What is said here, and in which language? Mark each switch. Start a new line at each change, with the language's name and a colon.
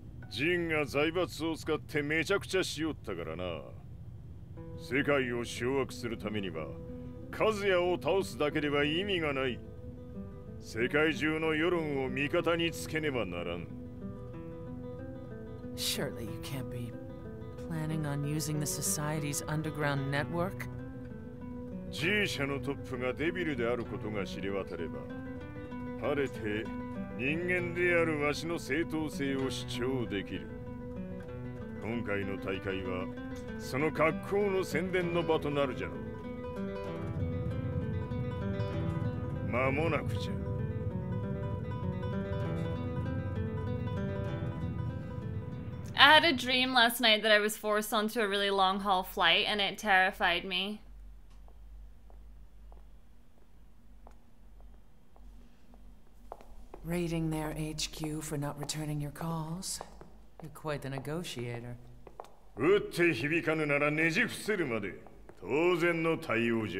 Japanese: Jin が財閥を使ってめちゃくちゃしよったからな。世界を掌握するためには、カズヤを倒すだけでは意味がない。世界中の世論を味方につけねばならん。
English: Surely you can't be planning on using the society's underground network?
Japanese: G 社のトップがデビルであることが知れ渡れば、晴れて人間であるわしの正当性を主張できる。今回の大会はその格好の宣伝の場となるじゃろう。まもなくじゃ。
English: I had a dream last night that I was forced onto a really long haul flight and it terrified me. Raiding their HQ for not returning your calls. You're quite the negotiator.
Japanese: 撃って響かぬならねじ伏せるまで当然の対応じゃ。